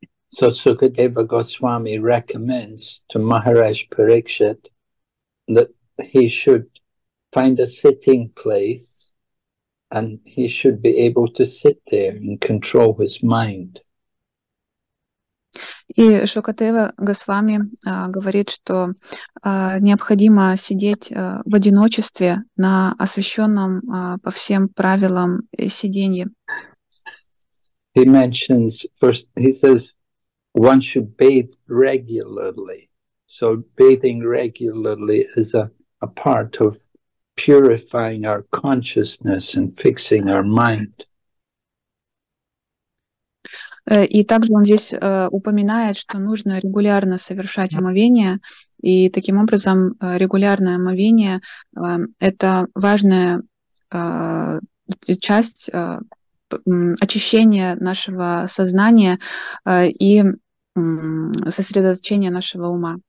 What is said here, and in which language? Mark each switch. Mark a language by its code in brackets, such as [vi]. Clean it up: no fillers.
[en] So Sukadeva Goswami recommends to Maharaj Parikshit that he should find a sitting place and he should be able to sit there and control his mind. [ru] И Шукадева Госвами говорит, что необходимо сидеть в одиночестве на освященном по всем правилам сиденье. [en] He mentions first, he says, one should bathe regularly. So bathing regularly is a part of purifying our consciousness and fixing our mind. [ru] И также он здесь упоминает, что нужно регулярно совершать омовение, и таким образом регулярное омовение это важная часть очищения нашего сознания и сосредоточение нашего ума.